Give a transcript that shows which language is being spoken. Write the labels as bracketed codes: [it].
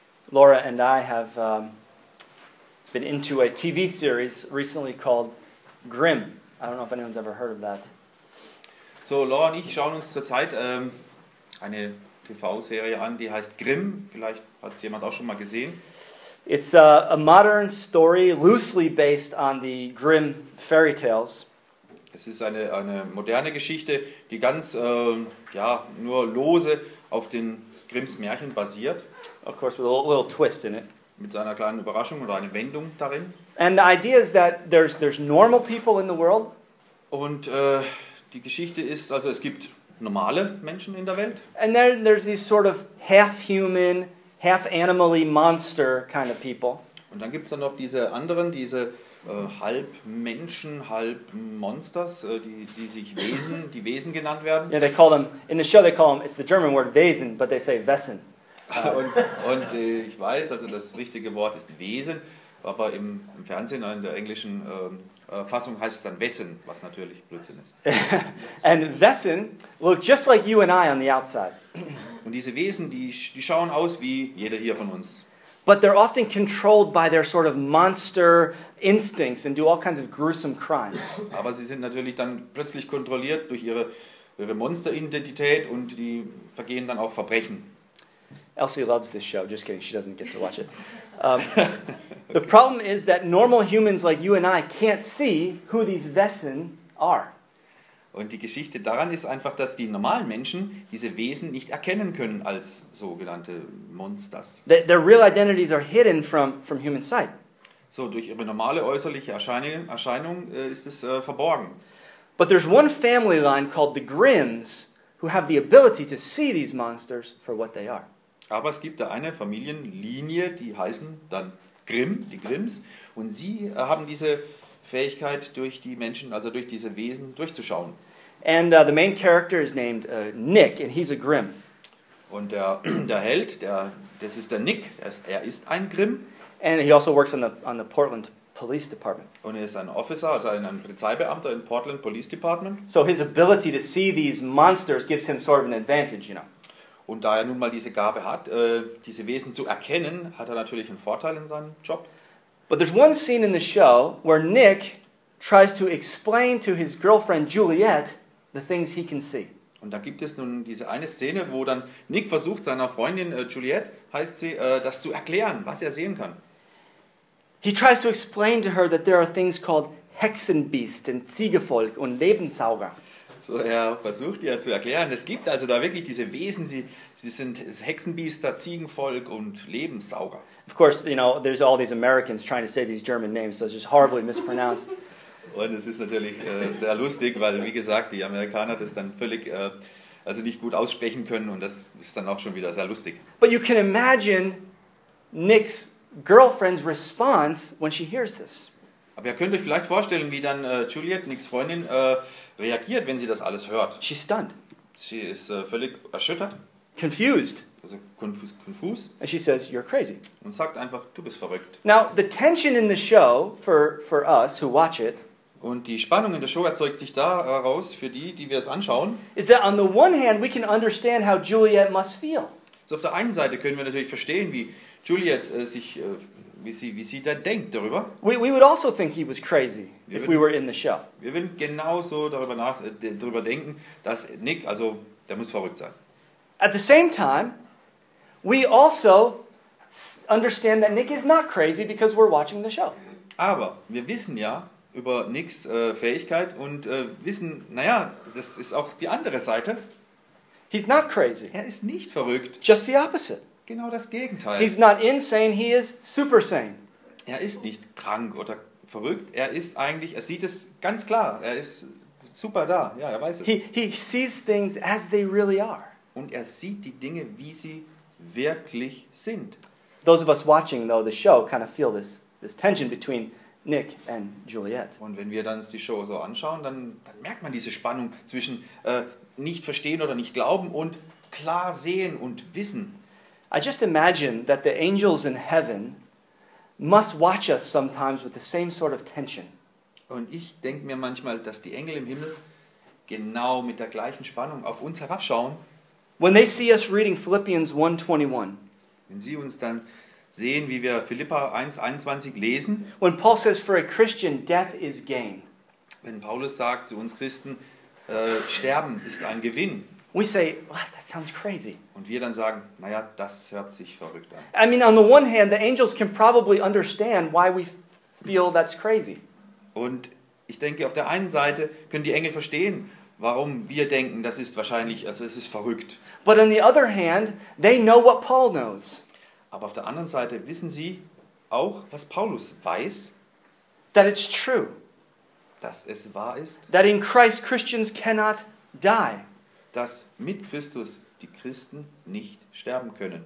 [en] Laura and I have been into a TV series recently called Grimm. I don't know if anyone's ever heard of that. [de] So Laura und ich schauen uns zurzeit eine TV-Serie an, die heißt Grimm. Vielleicht hat es jemand auch schon mal gesehen. [en] It's a modern story, loosely based on the Grimm fairy tales. [de] Es ist eine moderne Geschichte, die ganz nur lose auf den Grimms Märchen basiert. [en] Of course, with a little twist in it. [de] Mit einer kleinen Überraschung oder einer Wendung darin. [en] And the idea is that there's normal people in the world. [de] Und die Geschichte ist, also es gibt normale Menschen in der Welt. [en] And then there's these sort of half-human, half-animal-y monster kind of people. [de] Und dann gibt's dann noch diese anderen, diese halb Menschen, halb Monsters, die sich Wesen, die Wesen genannt werden. [en] Yeah, they call them, in the show they call them, it's the German word Wesen, but they say Wessen. [de] und ich weiß, also das richtige Wort ist Wesen, aber im Fernsehen, in der englischen Fassung heißt es dann Wessen, was natürlich Blödsinn ist. [en] And Wessen look just like you and I on the outside. [de] Und diese Wesen, die schauen aus wie jeder hier von uns. [en] But they're often controlled by their sort of monster instincts and do all kinds of gruesome crimes. [de] Aber sie sind natürlich dann plötzlich kontrolliert durch ihre Monster-Identität und die vergehen dann auch Verbrechen. [en] Elsie loves this show. Just kidding, she doesn't get to watch it. The problem is that normal humans like you and I can't see who these Wessen are. [de] Und die Geschichte daran ist einfach, dass die normalen Menschen diese Wesen nicht erkennen können als sogenannte Monsters. [en] Their real identities are hidden from human sight. [de] So, durch ihre normale äußerliche Erscheinung ist es verborgen. [en] But there's one family line called the Grimms who have the ability to see these monsters for what they are. [de] Aber es gibt da eine Familienlinie, die heißen dann Grimm, die Grimms. Und sie haben diese Fähigkeit, durch die Menschen, also durch diese Wesen, durchzuschauen. [en] And the main character is named Nick, and he's a Grimm. [de] Und der Held, das ist der Nick, er ist ein Grimm. [en] And he also works on the Portland Police Department. [de] Und er ist ein Officer, also ein Polizeibeamter in Portland Police Department. [en] So his ability to see these monsters gives him sort of an advantage, you know. [de] Und da er nun mal diese Gabe hat, diese Wesen zu erkennen, hat er natürlich einen Vorteil in seinem Job. [en] But there's one scene in the show where Nick tries to explain to his girlfriend Juliet the things he can see. [de] Und da gibt es nun diese eine Szene, wo dann Nick versucht, seiner Freundin Juliet, heißt sie, das zu erklären, was er sehen kann. [en] He tries to explain to her that there are things called Hexenbiest and Ziegevolk und Lebensauger. [de] So, er versucht ihr zu erklären, es gibt also da wirklich diese Wesen, sie sind Hexenbiester, Ziegenvolk und Lebenssauger. [en] Of course, you know, there's all these Americans trying to say these German names, so it's just horribly mispronounced. [de] Und es ist natürlich sehr lustig, weil, wie gesagt, die Amerikaner das dann völlig, also nicht gut aussprechen können und das ist dann auch schon wieder sehr lustig. [en] But you can imagine Nick's girlfriend's response when she hears this. [de] Aber ihr könnt euch vielleicht vorstellen, wie dann Juliet, Nicks Freundin, reagiert, wenn sie das alles hört. [en] She's stunned. [de] Sie ist völlig erschüttert. [en] Confused. [de] Also konfus. [en] And she says, you're crazy. [de] Und sagt einfach, du bist verrückt. [en] Now, the tension in the show, for us who watch it, [de] und die Spannung in der Show erzeugt sich daraus, für die wir es anschauen, [en] is that on the one hand, we can understand how Juliet must feel. [de] So auf der einen Seite können wir natürlich verstehen, wie Juliet sich wie sie da denkt darüber. [en] We would also think he was crazy if we were in the show. [de] Wir würden genauso darüber denken, dass Nick, also der muss verrückt sein. [en] At the same time, we also understand that Nick is not crazy because we're watching the show. [de] Aber wir wissen ja über Nicks Fähigkeit und wissen, naja, das ist auch die andere Seite. [en] He's not crazy. [de] Er ist nicht verrückt. [en] Just the opposite. [de] Genau das Gegenteil. [en] He's not insane, he is super sane. [de] Er ist nicht krank oder verrückt. Er ist eigentlich, er sieht es ganz klar. Er ist super da. Ja, er weiß es. [en] He sees things as they really are. [de] Und er sieht die Dinge, wie sie wirklich sind. [en] Those of us watching though the show kind of feel this tension between Nick and Juliet. [de] Und wenn wir dann die Show so anschauen, dann merkt man diese Spannung zwischen nicht verstehen oder nicht glauben und klar sehen und wissen. [en] I just imagine that the angels in heaven must watch us sometimes with the same sort of tension. [de] Und ich denke mir manchmal, dass die Engel im Himmel genau mit der gleichen Spannung auf uns herabschauen. [en] When they see us reading Philippians 1:21. [de] Wenn sie uns dann sehen, wie wir Philipper 1:21 lesen. [en] When Paul says for a Christian death is gain. [de] Wenn Paulus sagt zu uns Christen, Sterben ist ein Gewinn. [en] We say, wow, that sounds crazy. [de] Und wir dann sagen, naja, das hört sich verrückt an. [en] I mean, on the one hand, the angels can probably understand why we feel that's crazy. [de] Und ich denke, auf der einen Seite können die Engel verstehen, warum wir denken, das ist wahrscheinlich, also es ist verrückt. [en] But on the other hand, they know what Paul knows. [de] Aber auf der anderen Seite wissen sie auch, was Paulus weiß. [en] That it's true. [de] Dass es wahr ist. [en] That in Christ Christians cannot die. [de] Dass mit Christus die Christen nicht sterben können.